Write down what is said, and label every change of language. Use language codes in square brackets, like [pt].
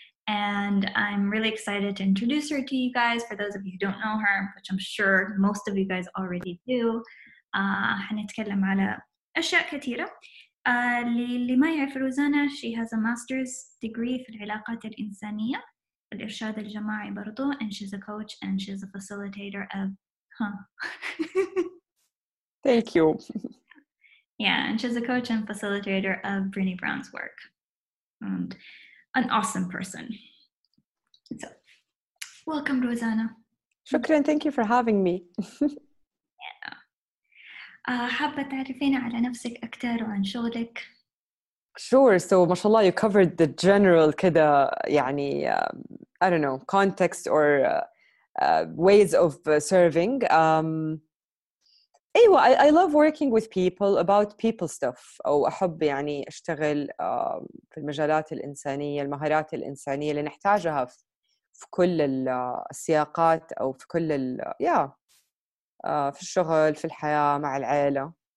[en] And I'm really excited to introduce her to you guys, for those of you who don't know her, which I'm sure most of you guys already do. [ar] حنتكلم على أشياء كثيرة. اللي ما يعرف روزانا, [en] she has a master's degree [ar] في العلاقات الإنسانية. الإرشاد الجماعي برضو, [en] and she's a coach and she's a facilitator of Thank you. Yeah, and she's a coach and facilitator of Brené Brown's work, and an awesome person. So, welcome, Rosanna. [ar] شكرا, [en] thank you for having me. Yeah. [ar] حابة تعرفين على نفسك أكثر وعن شغلك. [en] Sure. So, mashallah, you covered the general كده, يعني I don't know, context or ways of serving. Anyway, I love working with people about people stuff. [ar] أو أحب يعني أشتغل في المجالات الإنسانية, المهارات الإنسانية اللي نحتاجها في كل السياقات أو في كل في الشغل, في الحياة, مع العائلة.